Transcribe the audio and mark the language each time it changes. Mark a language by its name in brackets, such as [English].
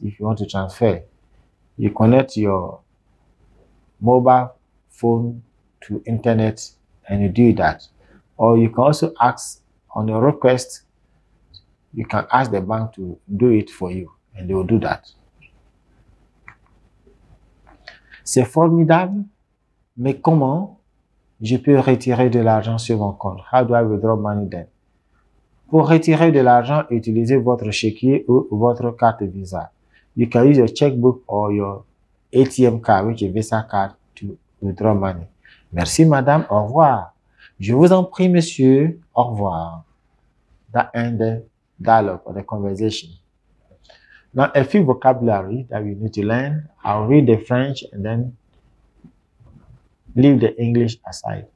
[English] If you want to transfer, you connect your mobile phone to internet and you do that. Or you can also ask on your request, you can ask the bank to do it for you and they will do that. [French] C'est formidable, mais comment je peux retirer de l'argent sur mon compte? [English] How do I withdraw money then? [French] Pour retirer de l'argent, utilisez votre chéquier ou votre carte Visa. [English] You can use your checkbook or your ATM card, which is Visa card, to withdraw money. [French] Merci, madame. Au revoir. Je vous en prie, monsieur. Au revoir. [English] That end the dialogue or the conversation. Now, a few vocabulary that we need to learn. I'll read the French and then leave the English aside.